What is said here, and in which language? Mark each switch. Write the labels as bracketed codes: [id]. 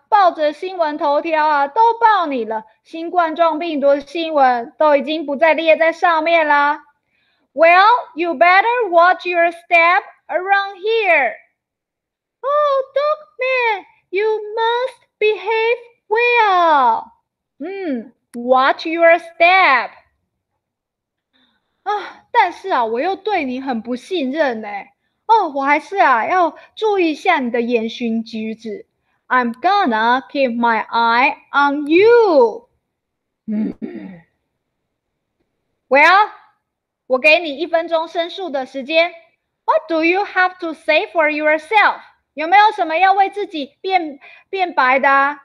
[zh] 报纸新闻头条啊，都报你了。新冠状病毒新闻都已经不再列在上面啦。 [en] Well, you better watch your step around here. Oh, Dogman, you must behave well. Watch your step. [zh] 啊，但是啊，我又对你很不信任呢。哦，我还是啊，要注意一下你的言行举止。 [en] I'm gonna keep my eye on you. [zh] Well,我给你一分钟申诉的时间。 [en] What do you have to say for yourself? [zh] 有没有什么要为自己 变白的啊？